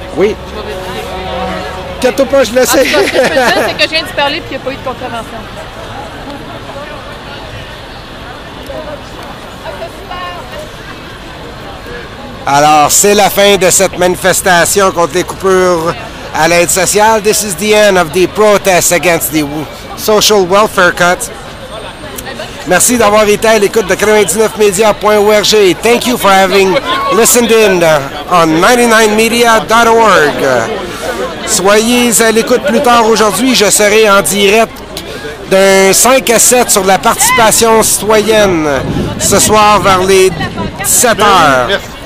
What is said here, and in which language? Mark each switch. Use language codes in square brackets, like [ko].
[fr] Oui. Gâteau pas, je le sais. Ce que je peux te dire, c'est que je viens de parler et qu'il n'y a pas eu de contravention. Alors, c'est la fin de cette manifestation contre les coupures à l'aide sociale. [en] This is the end of the protest against the social welfare cut. [fr] Merci d'avoir été à l'écoute de 99media.org. [en] Thank you for having listened in on 99media.org. [fr] Soyez à l'écoute plus tard aujourd'hui. Je serai en direct d'un 5 à 7 sur la participation citoyenne ce soir vers les 7 heures.